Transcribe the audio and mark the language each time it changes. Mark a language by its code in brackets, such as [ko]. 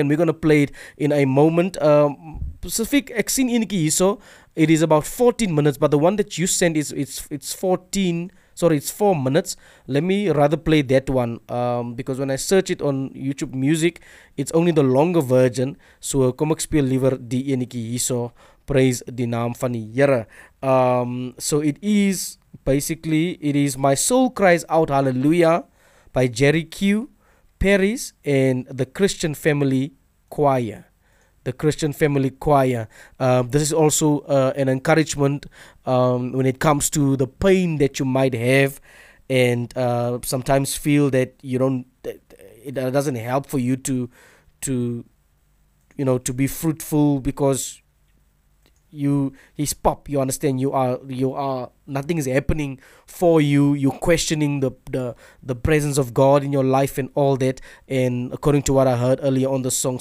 [en] And we're going to play it in a moment. Fick, [af] ek sien enige hierso. [en] It is about 14 minutes, but the one that you sent is it's 4 minutes. Let me rather play that one because when I search it on YouTube Music, it's only the longer version. [af] So kom ek speel liewer die enetjie hierso. [en] Praise the [af] Naam van die Here. [en] So it is basically, it is My Soul Cries Out Hallelujah by Jerry Q. Paris and the Christian Family Choir. the Christian Family Choir. This is also an encouragement when it comes to the pain that you might have and sometimes feel that you don't, that it doesn't help for you to you know, to be fruitful because you, he's pop, you understand, you are nothing is happening for you, you're questioning the presence of God in your life and all that, and according to what I heard earlier on the song.